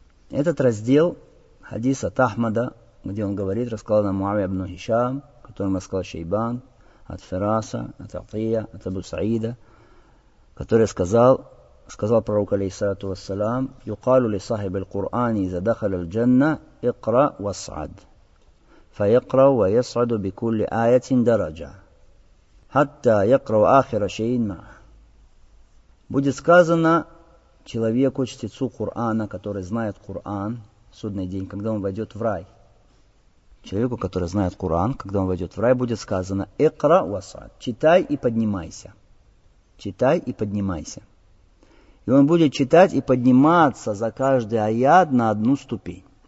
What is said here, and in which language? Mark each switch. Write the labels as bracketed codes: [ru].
[ru] Этот раздел хадиса Тахмада, где он говорит, рассказал нам Муавия ибн Хишам, которым рассказал Шейбан, от Фираса, от Атия, от Абу Саида, который сказал пророк, алейхиссалату вассалам, [ar] «Юкалу ли сахиб аль-Кур'ан, иза дахал аль-Джанна, икра вас'ад». فيقرأ ويصعد بكل آية درجة حتى يقرأ آخر شيء معه. [ru] Будет сказано человеку, чтецу Корана, который знает Коран, в судный день, когда он войдет в рай. Человеку, который знает Коран, когда он войдет в рай, будет сказано [ar] «Икра васад» [ru] – «Читай и поднимайся». «Читай и поднимайся». И он будет читать и подниматься за каждый аят на одну ступень.